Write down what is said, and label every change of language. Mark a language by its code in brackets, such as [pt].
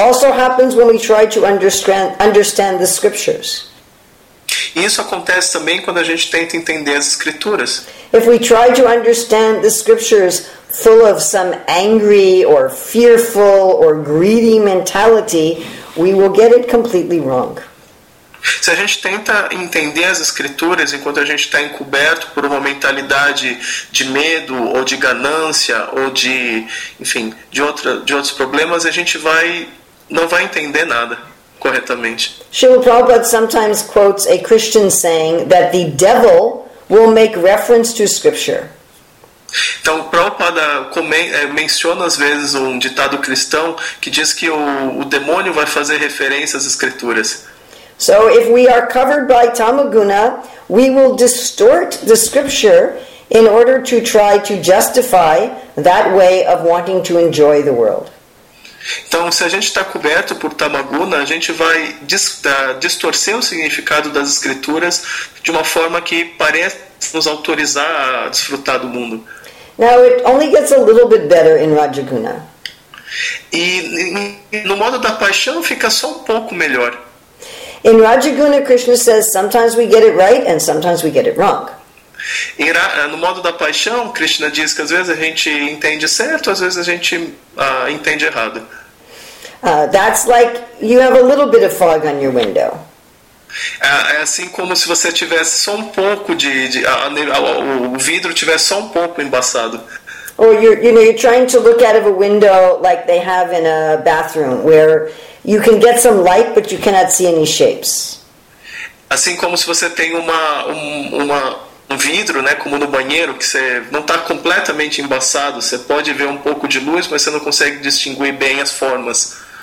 [en] This also happens when we try to understand the scriptures. [pt] Isso acontece também quando a gente tenta entender as escrituras. [en] If we try to understand the scriptures full of some angry or fearful or greedy mentality, we will get it completely wrong. [pt] Se a gente tenta entender as escrituras enquanto a gente está encoberto por uma mentalidade de medo ou de ganância ou de, enfim, de outros problemas, a gente não vai entender nada. [en] Srila Prabhupada sometimes quotes a Christian saying that the devil will make reference to scripture. [pt] Então, Prabhupada menciona às vezes um ditado cristão que diz que o demônio vai fazer referência às escrituras. [en] So if we are covered by tamaguna, we will distort the scripture in order to try to justify that way of wanting to enjoy the world. [pt] Então, se a gente está coberto por tamaguna, a gente vai distorcer o significado das escrituras de uma forma que parece nos autorizar a desfrutar do mundo. [en] Now, it only gets a little bit better in Rajaguna. [pt] E no modo da paixão fica só um pouco melhor. [en] In Rajaguna, Krishna says, sometimes we get it right and sometimes we get it wrong. [pt] No modo da paixão, Krishna diz que às vezes a gente entende certo, às vezes a gente entende errado. [en] That's like you have a little bit of fog on your window. [pt] É assim como se você tivesse só um pouco o vidro tivesse só um pouco embaçado. [en] Or you're trying to look out of a window like they have in a bathroom, where you can get some light, but you cannot see any shapes. [pt] Assim como se você tem um vidro, né, como no banheiro, que você não está completamente embaçado, você pode ver um pouco de luz, mas você não consegue distinguir bem as formas.